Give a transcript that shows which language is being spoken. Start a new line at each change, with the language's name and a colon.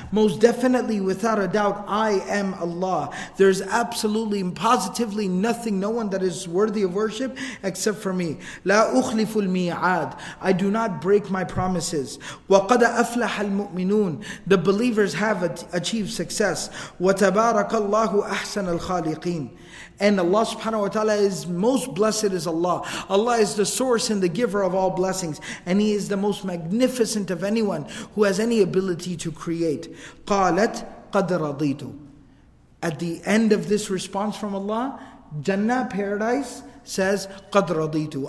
English: Most definitely, without a doubt, I am Allah. There's absolutely, positively nothing, no one that is worthy of worship except for me.
Arabic: لا أخلف الميعاد.
English: I do not break my promises.
Arabic: وقد أفلح المؤمنون.
English: The believers have achieved success.
Arabic: وتبارك الله أحسن الخالقين.
English: And Allah subhanahu wa ta'ala is most blessed is Allah. Allah is the source and the giver of all blessings. And He is the most magnificent of anyone who has any ability to create.
Arabic: قالت قد رضيت.
English: At the end of this response from Allah, Jannah, paradise, says,
Arabic: قَدْ رَضِيتُ.